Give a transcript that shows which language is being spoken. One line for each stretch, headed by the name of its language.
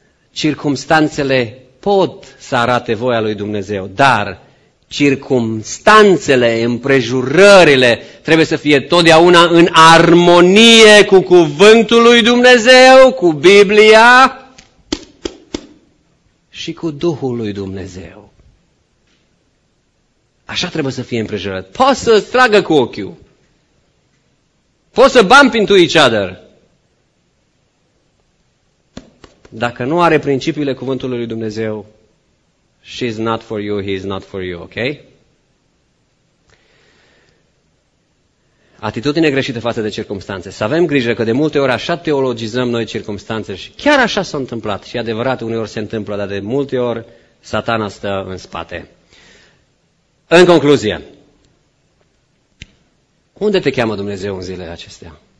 Romanian: Circumstanțele pot să arate voia lui Dumnezeu, dar circumstanțele, împrejurările, trebuie să fie totdeauna în armonie cu cuvântul lui Dumnezeu, cu Biblia și cu Duhul lui Dumnezeu. Așa trebuie să fie împrejurat. Poți să-ți tragă cu ochiul. Poți să
English: bump into each other.
Romanian: Dacă nu are principiile cuvântului lui Dumnezeu,
English: She's not for you, he's not for you, ok?
Romanian: Atitudine greșită față de circumstanțe. Să avem grijă că de multe ori așa teologizăm noi circumstanțele și chiar așa s-a întâmplat. Și adevărat, uneori se întâmplă, dar de multe ori satana stă în spate. În concluzie, unde te cheamă Dumnezeu în zilele acestea?